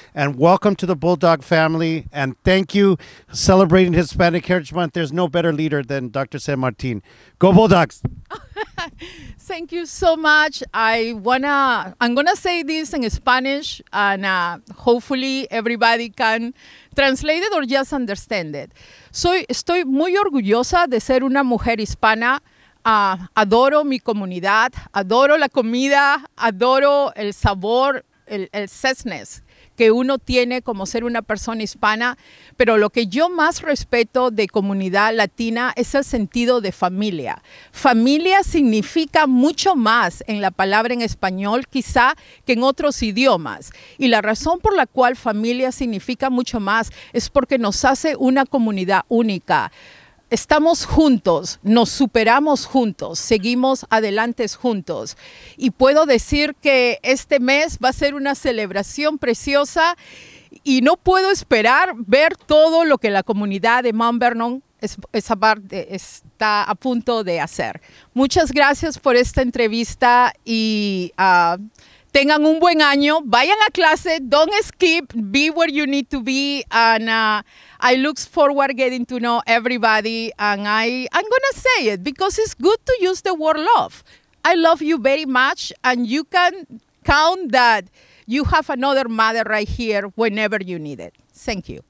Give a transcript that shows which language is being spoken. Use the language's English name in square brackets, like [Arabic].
[English] And welcome to the Bulldog family. And thank you, celebrating Hispanic Heritage Month. There's no better leader than Dr. San Martin. Go Bulldogs! Thank you so much. I'm gonna say this in Spanish, and hopefully everybody can translate it or just understand it. [Spanish] Estoy muy orgullosa de ser una mujer hispana. Adoro mi comunidad, adoro la comida, adoro el sabor, el [English] zestness [Spanish] que uno tiene como ser una persona hispana, pero lo que yo más respeto de comunidad latina es el sentido de familia. Familia significa mucho más en la palabra en español, quizá, que en otros idiomas. Y la razón por la cual familia significa mucho más es porque nos hace una comunidad única. Estamos juntos, nos superamos juntos, seguimos adelante juntos. Y puedo decir que este mes va a ser una celebración preciosa y no puedo esperar ver todo lo que la comunidad de Mount Vernon está a punto de hacer. Muchas gracias por esta entrevista y tengan un buen año. Vayan a clase, [English] don't skip, be where you need to be, and I look forward getting to know everybody, and I'm going to say it because it's good to use the word love. I love you very much, and you can count that you have another mother right here whenever you need it. Thank you.